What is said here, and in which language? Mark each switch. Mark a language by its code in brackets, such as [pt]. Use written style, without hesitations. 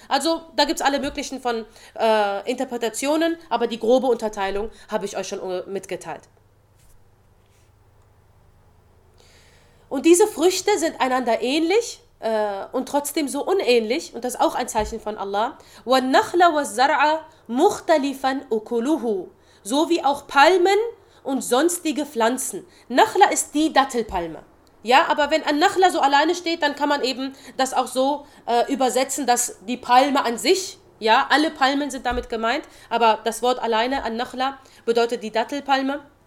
[de] Also da gibt es alle möglichen von Interpretationen, aber die grobe Unterteilung habe ich euch schon mitgeteilt. Und diese Früchte sind einander ähnlich und trotzdem so unähnlich, und das ist auch ein Zeichen von Allah. [ar] وَالنَّخْلَ وَالزَّرْعَ مُخْتَلِفًا أُكُلُهُ. [de] So wie auch Palmen und sonstige Pflanzen. Nachla ist die Dattelpalme. Ja, aber wenn ein Nachla so alleine steht, dann kann man eben das auch so übersetzen, dass die Palme an sich, Ja, alle Palmen sind damit gemeint, aber das Wort alleine, An-Nakhla, bedeutet die Dattelpalme.